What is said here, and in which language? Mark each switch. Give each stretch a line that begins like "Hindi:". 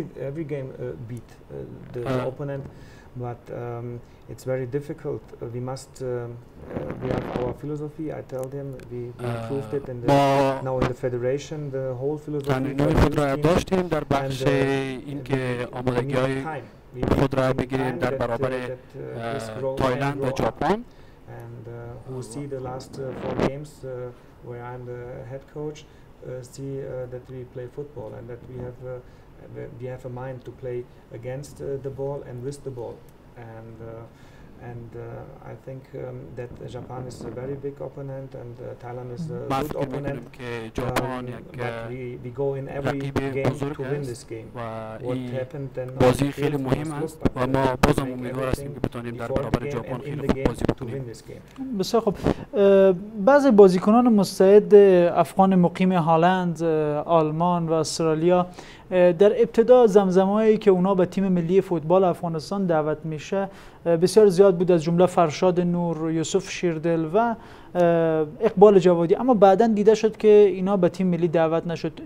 English: We can beat every game, the opponent, but it's very difficult. We must. We have our philosophy. I tell them we improved it in the now in the federation. The whole philosophy. And we need to adjust him.
Persian: در بخش اینکه آمادگی‌های خود را بگیریم در برابر تایلند و ژاپن.
English: And who see the last four games where I'm the head coach see that we play football and that we have a mind to play against the ball and with the ball, and I think that Japan is a very big opponent and Thailand is a good opponent. But we go in every game to win this game. What happened then?
Persian: بازی خیلی مهم است و ما باز هم امیدوار هستیم که بتونیم در برابر ژاپن خیلی خوب بازی بکنیم. بسیار خوب. بعضی بازیکنان مستعد افغان مقیم هالند، آلمان و استرالیا در ابتدا زمزمه‌هایی که اونا به تیم ملی فوتبال افغانستان دعوت میشه بسیار زیاد بود، از جمله فرشاد نور، یوسف شیردل و اقبال جوادی، اما بعدا دیده شد که اینا به تیم ملی دعوت نشد.